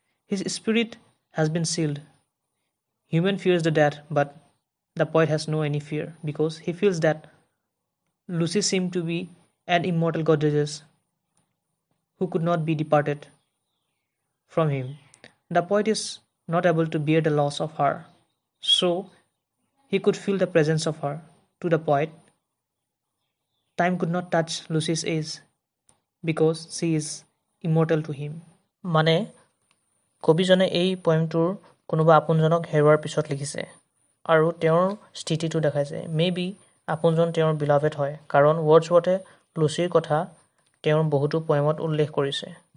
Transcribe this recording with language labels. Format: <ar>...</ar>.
<en>His spirit has been chilled, human fears the death but the poet has no' any fear because he feels that Lucy seems to be an immortal goddess who could not be departed from him. The poet is not able to bear the loss of her, so' he could feel the presence of her to the poet. Time could not touch Lucy's as because she is immortal to him.</en> <as>মানে কবিজনে এই পয়েমটোৰ কোনোবা আপোনজনক হেৰুৱাৰ পিছত লিখিছে আৰু তেওঁৰ স্থিতিটো দেখাইছে। মে বি আপোনজন তেওঁৰ বিলাভেট হয়, কাৰণ ৱৰ্ডছৱৰ্থে লুচিৰ কথা তেওঁৰ বহুতো পয়েমত উল্লেখ কৰিছে।</as>